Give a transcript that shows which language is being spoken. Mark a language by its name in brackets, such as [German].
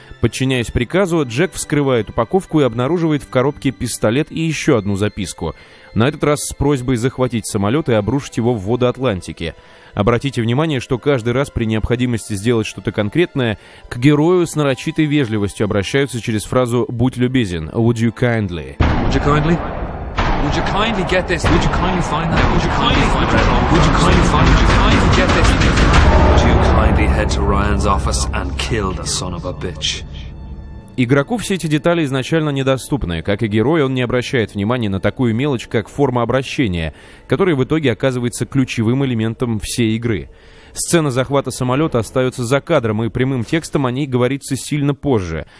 [Russian] Подчиняясь приказу, Джек вскрывает упаковку и обнаруживает в коробке пистолет и еще одну записку. На этот раз с просьбой захватить самолет и обрушить его в воды Атлантики. Обратите внимание, что каждый раз при необходимости сделать что-то конкретное, к герою с нарочитой вежливостью обращаются через фразу «Будь любезен», [English] «Would you kindly?» «Would you kindly?» Would you kindly get this? Would you kindly find that? Would you kindly find that? Would you kindly find that? Would you kindly get this? Would you kindly head to Ryan's office and kill the son of a bitch? [Russian] Игроку все эти детали изначально недоступны. Как и герой, он не обращает внимания на такую мелочь, как форма обращения, которая в итоге оказывается ключевым элементом всей игры. Сцена захвата самолета остается за кадром, и прямым текстом о ней говорится сильно позже.